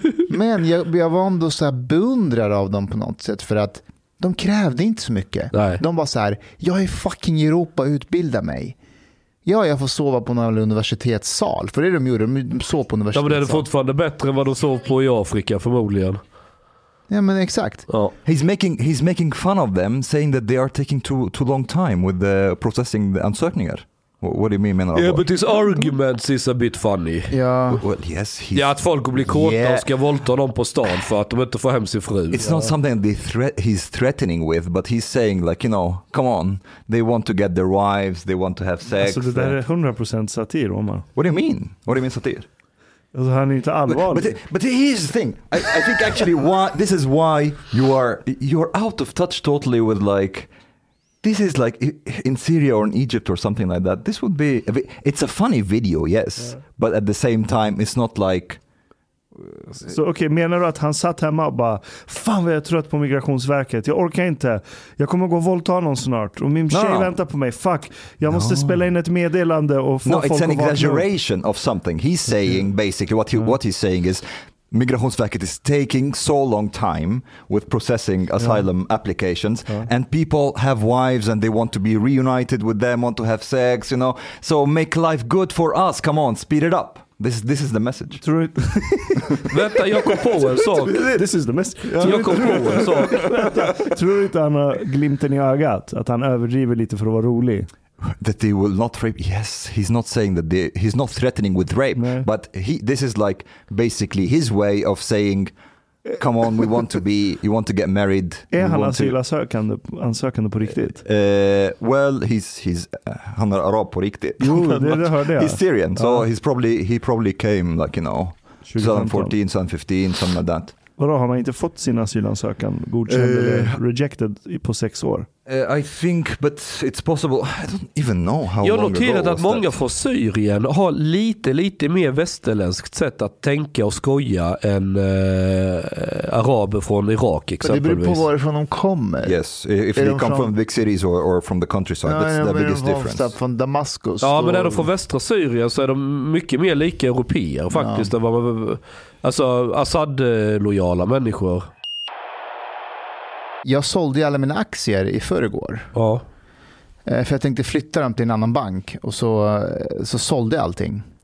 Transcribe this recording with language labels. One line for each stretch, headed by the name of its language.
Swedish: Men jag var ändå så här beundrad av dem på något sätt för att de krävde inte så mycket. Nej. De var så här, jag är fucking Europa, utbilda mig. Ja, jag får sova på någon universitetssal. För det de gjorde, de sov på universitetssal. Ja, men det är fortfarande bättre än vad de sov på i Afrika förmodligen. Ja, men exakt.
English: Oh. He's making fun of them, saying that they are taking too long time with the processing the ansökningar. What do you mean? Yeah, but his arguments is a bit funny. Yeah. Well, yes.
Swedish: Ja, att folk blir kåta och ska våldta dem på stan för att de inte får hem sin fru.
English: It's not something he's threatening with, but he's saying like, you know, come on. They want to get their wives, they want to have sex.
Swedish: Alltså det där är 100% satir, Omar.
English: What do you mean satir?
Swedish: Alltså han är inte allvarlig.
English: But here's the thing. I think actually why this is why you're out of touch totally with like this is like in Syria or in Egypt or something like that. This would be it's a funny video, yes, but at the same time it's not like
Swedish: så okej, menar du att han satt hemma och bara fan vad jag är trött på Migrationsverket. Jag orkar inte. Jag kommer gå och våldta någon snart och min tjej väntar på mig. Fuck. Jag måste spela in ett meddelande och få
English: folk. No, it's an exaggeration of something. He's saying basically what he's saying is Migrationsverket is taking so long time with processing asylum applications and people have wives and they want to be reunited with them, want to have sex, you know. So make life good for us. Come on, speed it up. This is the message.
Swedish: Vänta, jag kom på en sak.
English: This is the message.
Swedish: Jag kom på en sak. Tror du inte han har glimten i ögat? Att han överdriver lite för att vara rolig?
English: That they will not rape. Yes, he's not saying that he's not threatening with rape.
Swedish: Nej.
English: But this is like basically his way of saying come on, we want to be, you want to get married.
Swedish: Är han asylsökande på riktigt? Well, han är arab på riktigt. Jo, det hörde jag.
English: He's Syrian, so he probably came like, you know, 2014, 2015, something like that.
Swedish: Vadå, har man inte fått sin asylansökan godkänd eller rejected på 6 år?
English: I think, but it's possible. I don't even know how.
Swedish: Jag noterat att många från Syrien har lite mer västerländskt sätt att tänka och skoja än araber från Irak exempelvis. Det beror på varifrån de kommer.
English: Yes, if they come from big cities or from the countryside, that's the biggest difference.
Swedish: Från Damaskus. Ja, men är de från västra Syrien så är de mycket mer lika europeer faktiskt. Ja. Alltså Assad-lojala människor. Jag sålde alla mina aktier i förrgår. Ja. För jag tänkte flytta dem till en annan bank. Och så sålde jag allting.